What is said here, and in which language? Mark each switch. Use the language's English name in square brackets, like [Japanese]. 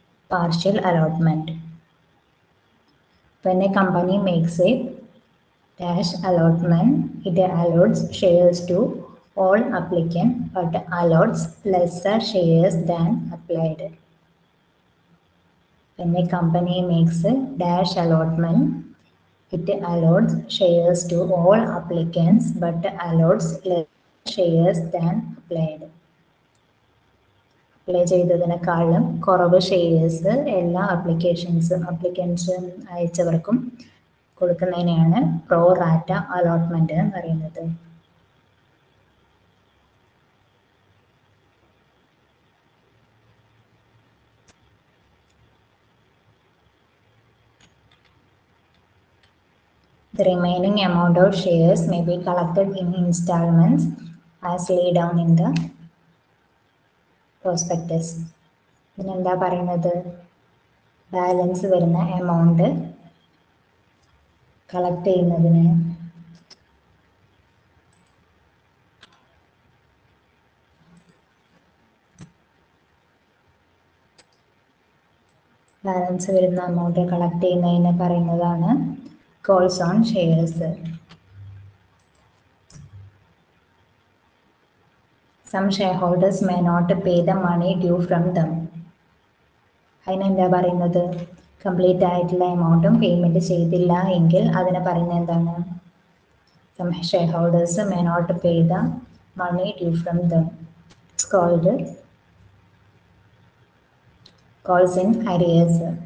[English] Partial allotment. When a company makes a dash allotment, it allots shares to all applicants but allots lesser shares than applied. When a company makes a dash allotment, it allots shares to all applicants but allots lesser shares than applied. [Malayalam] Apply ചെയ്തതിനേക്കാളും കുറവ് shares എല്ലാ applications അയച്ചവർക്കും കൊടുക്കുന്നതിനെയാണ് pro റാറ്റ allotment എന്ന് പറയുന്നത്. [English] The remaining amount of shares may be collected in instalments as lay down in the prospectus. [Malayalam] പിന്നെന്താ പറയുന്നത്? Balance വരുന്ന amount collect ചെയ്യുന്നതിന് balance വരുന്ന amount collect ചെയ്യുന്നതിന് പറയുന്നതാണ് calls on shares. [English] Some shareholders may not pay the money due from them. [Malayalam] അതിനെ എന്താ പറയുന്നത്? കംപ്ലീറ്റ് ആയിട്ടുള്ള എമൗണ്ടും പേയ്മെന്റ് ചെയ്തില്ല എങ്കിൽ അതിനെ പറയുന്നത് എന്താണ്? [English] Some shareholders may not pay the money due from them. It's called calls in arrears.